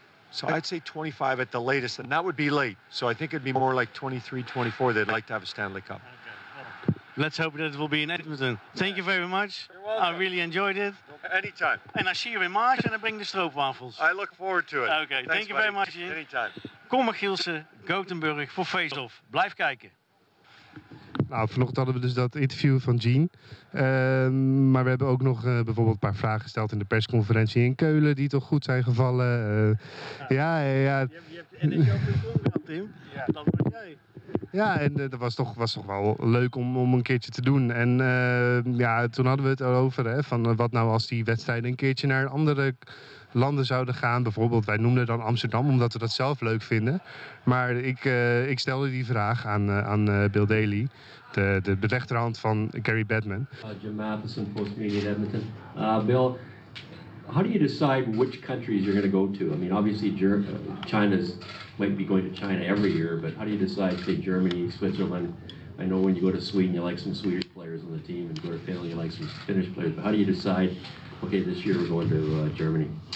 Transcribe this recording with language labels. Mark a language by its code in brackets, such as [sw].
[en] So I'd say 25 at the latest, and that would be late. So I think it'd be more like 23, 24. They'd like to have a Stanley Cup. Okay. Well, let's hope that it will be in Edmonton. Thank you very much. You're welcome. I really enjoyed it. Anytime. And I see you in March, and I bring the stroopwafels. I look forward to it. Okay, Thanks, thank you very much. Ian. Anytime. [nl] Kom maar Gielsen, Gothenburg voor Faceoff. Blijf kijken. Nou, vanochtend hadden we dus dat interview van Gene. Maar we hebben ook nog bijvoorbeeld een paar vragen gesteld in de persconferentie in Keulen, die toch goed zijn gevallen. Ja. Je hebt de NHL-persoon gehad, Tim. Ja. Dat was jij. Ja, en dat was toch wel leuk om een keertje te doen. En toen hadden we het erover, hè, van wat nou als die wedstrijden een keertje naar andere landen zouden gaan. Bijvoorbeeld, wij noemden dan Amsterdam, omdat we dat zelf leuk vinden. Maar ik stelde die vraag aan Bill Daly, de rechterhand van Gary Bettman. [en] Jim Matheson, Post-Media in Edmonton. Bill, how do you decide which countries you're going to go to? I mean, obviously, China's... might be going to China every year, but how do you decide, say, Germany, Switzerland? I know when you go to Sweden, you like some Swedish players on the team, and go to Finland, you like some Finnish players, but how do you decide, okay, this year we're going to Germany?